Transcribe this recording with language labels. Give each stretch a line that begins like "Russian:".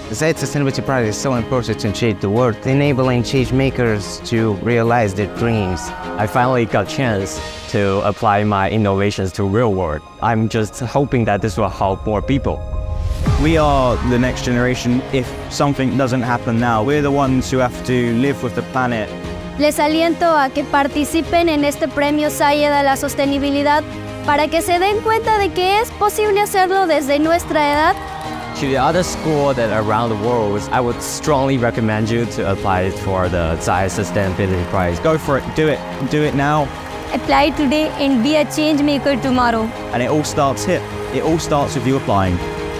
English: Zayed Sustainability Prize is so important to change the world, enabling change makers to realize their dreams. I finally got a chance to apply my innovations to real world. I'm just hoping that this will help more people. We are the next generation. If something doesn't happen now, we're the ones who have to live with the planet.
Spanish: Les aliento a que participen en este premio Zayed a la sostenibilidad para que se den cuenta de que es posible hacerlo desde nuestra edad.
English: To the other schools that are around the world, I would strongly recommend you to apply for the Zayed Sustainability Prize. Go for it. Do it. Do it now. Apply today and be a change maker tomorrow. And it all starts here. It all starts with you applying.